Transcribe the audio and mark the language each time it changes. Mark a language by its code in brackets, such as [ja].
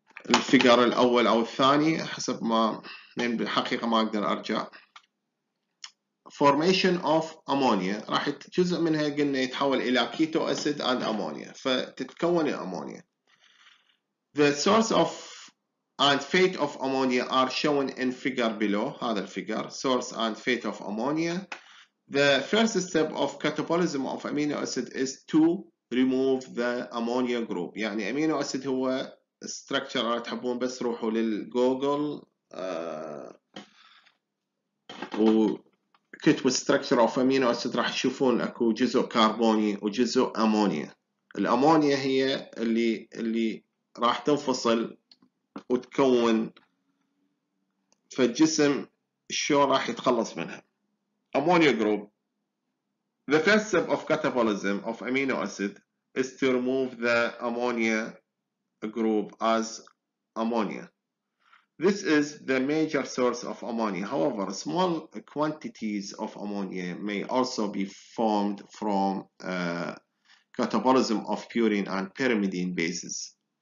[ar] الفيجر الأول أو الثاني حسب ما، لأن بالحقيقة ما أقدر أرجع. [en] formation of ammonia [ar] راح جزء منها قلنا يتحول إلى [en] keto acid and ammonia، [ar] فتتكون الأمونيا. [en] the source of and fate of ammonia are shown in figure below. [ar] هذا الفيجر [en] source and fate of ammonia. the first step of catabolism of amino acid is to remove the ammonia group. [ar] يعني amino acid هو structure، راح تحبون بس روحوا للجوجل وكتبوا [en] structure of amino acid [ar] راح تشوفون اكو جزء كربوني وجزء ammonia. الأمونيا هي اللي راح تنفصل وتكون، فالجسم شو راح يتخلص منها. [en] ammonia group. the first step of catabolism of amino acid is to remove the ammonia group as ammonia. this is the major source of ammonia. however, small quantities of ammonia may also be formed from catabolism of purine and pyrimidine bases.